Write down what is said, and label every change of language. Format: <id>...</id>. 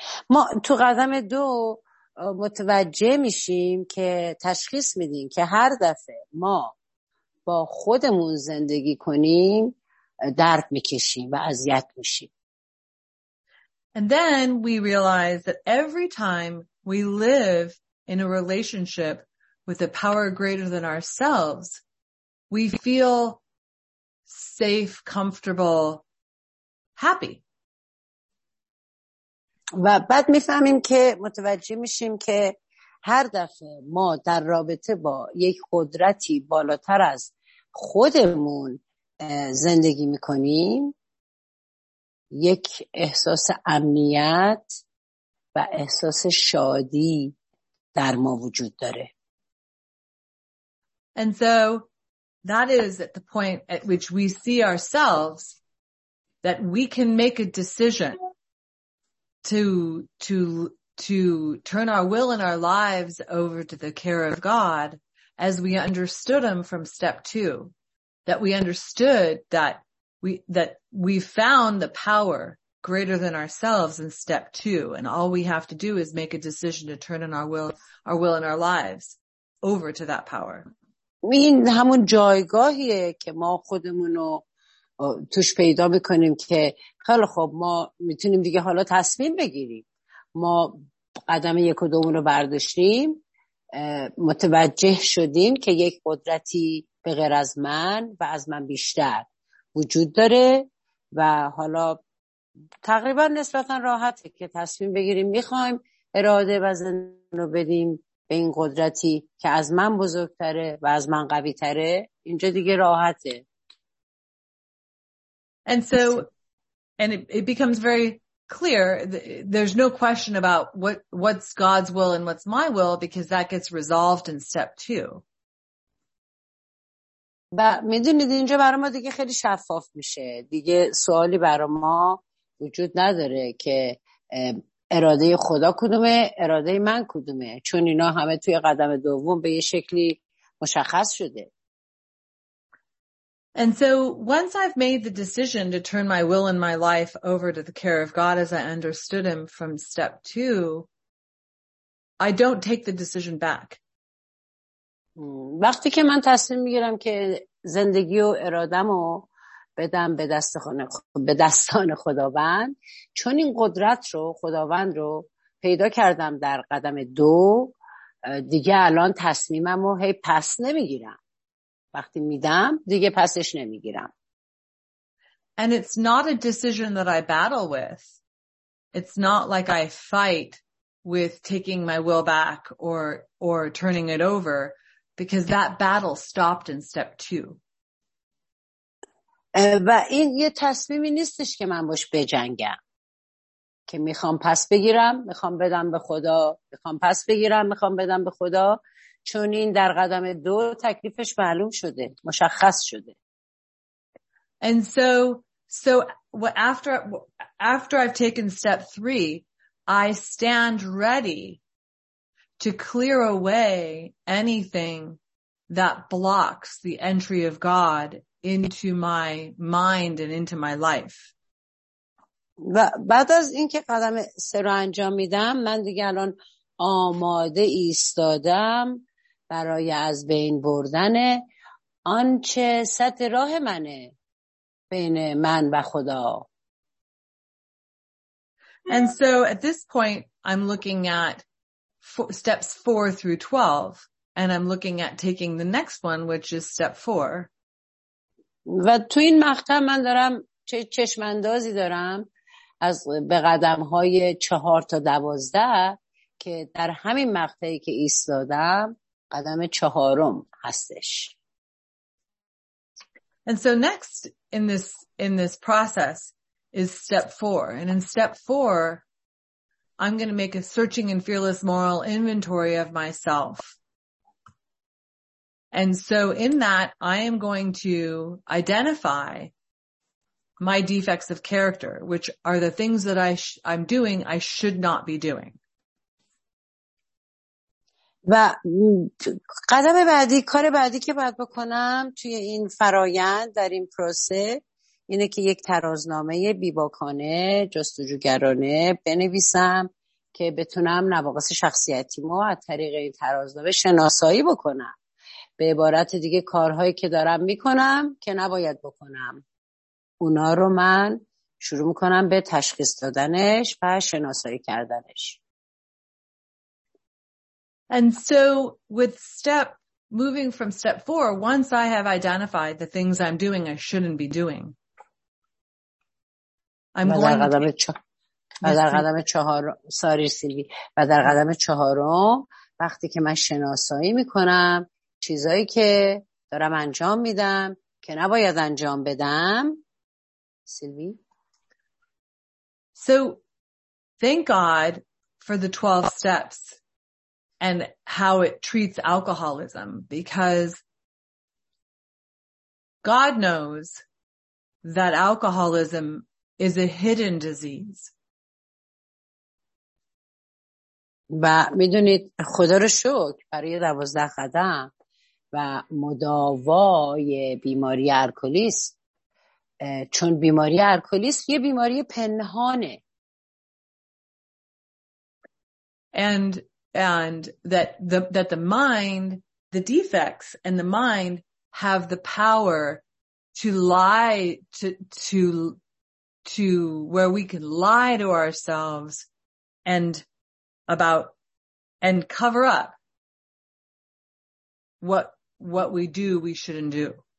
<fa>ما تو قدم 2 متوجه میشیم که تشخیص میدیم که هر دفعه ما با خودمون زندگی کنیم درد میکشیم و اذیت میشیم.</fa> <en>And then we realize that every time we live in a relationship with a power greater than ourselves, we feel safe, comfortable, happy.</en> <fa>و بعد میفهمیم که متوجه میشیم که هر دفعه ما در رابطه با یک قدرتی بالاتر از خودمون زندگی میکنیم، یک احساس امنیت و احساس شادی در ما وجود داره.</fa> <en>And so that is at the point at which we see ourselves that we can make a decision to turn our will and our lives over to the care of God, as we understood them from step 2, that we understood that we found the power greater than ourselves in step 2, and all we have to do is make a decision to turn in our will and our lives over to that power.</en> <fa>این همون جایگاهیه که ما خودمون رو توش پیدا میکنیم که خیلی خوب، ما میتونیم دیگه حالا تصمیم بگیریم. ما قدم 1 و 2 رو برداشتیم، متوجه شدیم که یک قدرتی به غیر از من و از من بیشتر وجود داره، و حالا تقریبا نسبتا راحته که تصمیم بگیریم میخوایم اراده و زن رو بدیم به این قدرتی که از من بزرگتره و از من قوی تره. اینجا دیگه راحته.</fa> <en>And so, and it becomes very clear. There's no question about what's God's will and what's my will, because that gets resolved in step 2.</en> <fa>و میدونید اینجا برای ما دیگه خیلی شفاف میشه. دیگه سوالی برای ما وجود نداره که اراده خدا کدومه، اراده من کدومه. چون اینا همه توی قدم 2 به یه شکلی مشخص شده.</fa> <en>And so once I've made the decision to turn my will and my life over to the care of God as I understood him from step 2, I don't take the decision back.</en> <fa>وقتی که من تصمیم میگیرم که زندگی و ارادمو بدم به دست به دستان خداوند، چون این قدرت رو خداوند رو پیدا کردم در قدم 2، دیگه الان تصمیممو هی پس نمیگیرم. وقتی میدم دیگه پسش نمیگیرم.</fa> <en>And it's not a decision that I battle with. It's not like I fight with taking my will back or turning it over, because that battle stopped in step 2.</en> <fa>و این یه تصمیمی نیستش که من باش بجنگم، که میخوام پس بگیرم، میخوام بدم به خدا، میخوام پس بگیرم، میخوام بدم به خدا، چون این در قدم 2 تکلیفش معلوم شده، مشخص شده.</fa> <en>And so after I've taken step 3, I stand ready to clear away anything that blocks the entry of God into my mind and into my life.</en> <fa>و بعد از اینکه قدم 3 رو انجام میدم، من دیگه الان آماده ایستادم برای از بین بردن آنچه سد راه منه بین من و خدا.</fa> <en>And so at this point I'm looking at steps 4 through 12 and I'm looking at taking the next one, which is step 4.</en> <fa>و تو این مقطع من دارم چشم اندازی دارم از به قدم های 4 تا 12 که در همین مقطعی که ایستادم قدم 4 هستش.</fa> <en>And so next in this process is step 4. And in step 4, I'm going to make a searching and fearless moral inventory of myself. And so in that, I am going to identify my defects of character, which are the things that I'm doing I should not be doing.</en> <fa>و قدم بعدی، کار بعدی که باید بکنم توی این فرایند، در این پروسه، اینه که یک ترازنامه بیباکانه، جستجوگرانه بنویسم که بتونم نواقص شخصیتیمو از طریق این ترازنامه شناسایی بکنم. به عبارت دیگه، کارهایی که دارم میکنم که نباید بکنم، اونا رو من شروع میکنم به تشخیص دادنش و شناسایی کردنش.</fa> <en>And so with moving from step 4, once I have identified the things I'm doing I shouldn't be doing, I'm going to</en> <fa>در قدم 4 ساری سیلی و در قدم 4 وقتی که من شناسایی میکنم چیزایی که دارم انجام میدم که نباید انجام بدم. سیلوی،</fa> <en>so thank God for the 12 steps and how it treats alcoholism, because God knows that alcoholism is a hidden disease.</en> <fa>و میدونید، خدا رو شکر برای 12 قدم و مداوای بیماری الکلیسم، چون بیماری الکلیسم یه بیماری پنهانه.</fa> <en>And that the mind, the defects and the mind have the power to lie, to where we can lie to ourselves and cover up what we do we shouldn't do.</en>